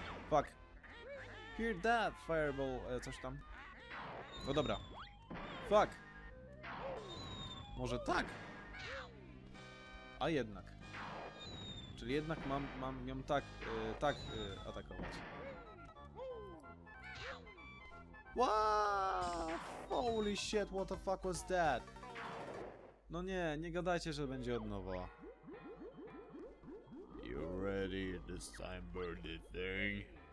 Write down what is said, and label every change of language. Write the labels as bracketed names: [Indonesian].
[Polish] Fuck. [English] Hear that, fireball, [Polish] coś tam. No dobra. Fuck. Może tak? A jednak. Czyli jednak mam ją tak, atakować. [English] What? Holy shit, what the fuck was that? [Polish] No nie, nie gadajcie, że będzie od nowa. [English] You ready this time, birdie thing?